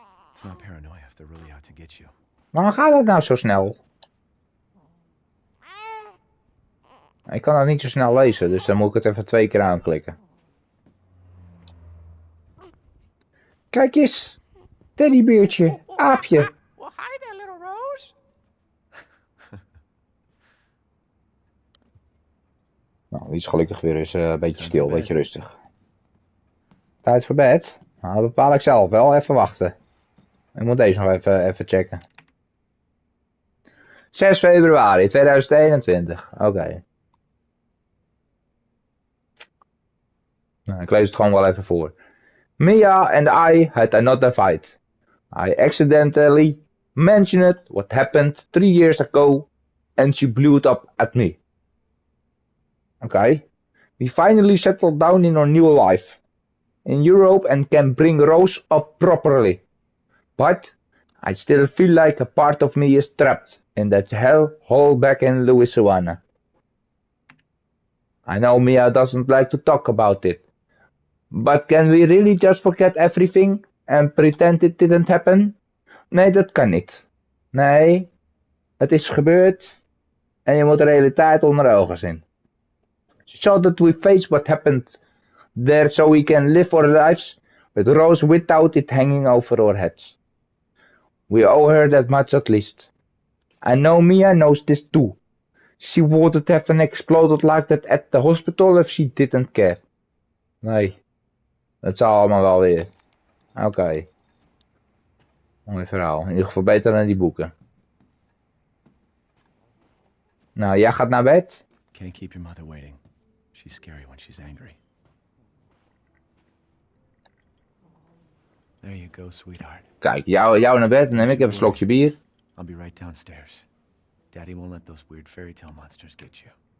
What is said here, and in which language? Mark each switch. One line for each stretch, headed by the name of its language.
English: It's not paranoia if they're really out to get you.
Dutch: Waarom gaat dat nou zo snel? Ik kan dat niet zo snel lezen, dus dan moet ik het even twee keer aanklikken. Kijk eens, teddybeertje, aapje.
English: Well, hi there, little Rose.
Dutch: Nou, die is gelukkig weer eens een beetje stil, een beetje rustig. Tijd voor bed? Nou, dat bepaal ik zelf wel, even wachten. Ik moet deze nog even checken. 6 februari 2021, oké. Okay. Ik lees het gewoon wel even voor.
English: Mia and I had another fight. I accidentally mentioned what happened 3 years ago and she blew it up at me. Okay. We finally settled down in our new life in Europe and can bring Rose up properly. But I still feel like a part of me is trapped in that hellhole back in Louisiana. I know Mia doesn't like to talk about it. But can we really just forget everything and pretend it didn't happen?
Dutch: Nee, dat kan niet. Nee, het is gebeurd en je moet de realiteit onder ogen zien.
English: So that we face what happened there so we can live our lives with Rose without it hanging over our heads. We owe her that much at least. I know Mia knows this too. She wouldn't have exploded like that at the hospital if she didn't care.
Dutch: Nee. Het zal allemaal wel weer. Oké. Okay. Mooi verhaal. In ieder geval beter dan die boeken. Nou, jij gaat naar bed.
English: Can't keep your mother waiting. She's scary when she's angry. There you go, sweetheart.
Dutch: Kijk, jou naar bed en neem ik even een slokje bier.
English: I'll be right downstairs. Daddy won't let those weird fairy tale monsters get you.